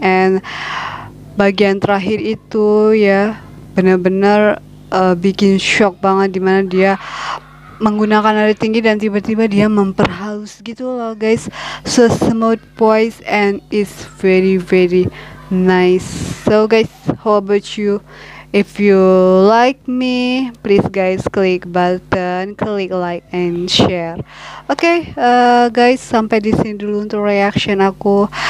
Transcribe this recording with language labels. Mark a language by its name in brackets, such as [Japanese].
[Indonesian] And bagian terakhir itu ya benar-benar bikin shock banget, dimana dia menggunakan nada tinggi dan tiba-tiba dia memperhalus gitu loh, guys. [English] So smooth voice and it's very very nice. So guys, how about you? If you like me, please guys click button, click like and share. [Indonesian] Okay, guys, sampai di sini dulu untuk reaction aku.